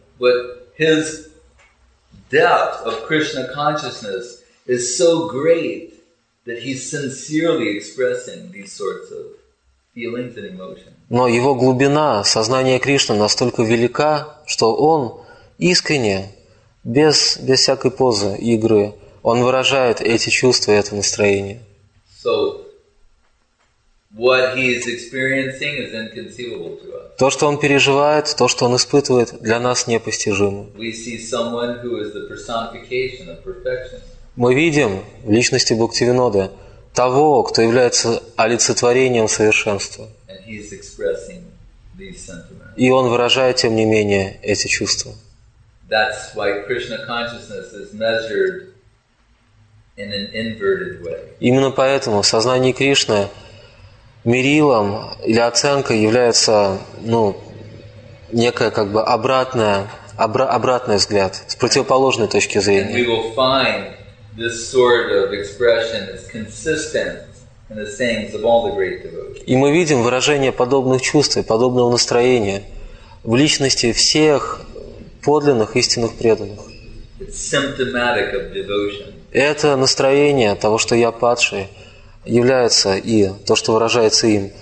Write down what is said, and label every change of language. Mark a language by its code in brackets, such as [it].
[ru] Но его глубина сознания Кришны настолько велика, что он искренне, без всякой позы и игры, он выражает эти чувства и это настроение. [en] So, what he is experiencing is inconceivable to us. [ru] То, что он переживает, то, что он испытывает, для нас непостижимо. [en] We see someone who is the personification of perfection. [ru] Мы видим в личности Бхактивинода того, кто является олицетворением совершенства. [en] And he is expressing these sentiments. [ru] И он выражает, тем не менее, эти чувства. [en] That's why Krishna consciousness is measured in an inverted way. [ru] Именно поэтому в сознании Кришны мерилом или оценкой является, ну, некая как бы обратный взгляд с противоположной точки зрения. [en] And we will find this sort of expression is consistent in the sayings of all the great devotees. [ru] И мы видим выражение подобных чувств, подобного настроения в личности всех подлинных истинных преданных. [en] It's symptomatic of devotion. [ru] Это настроение того, что я падший, является и то, что выражается им.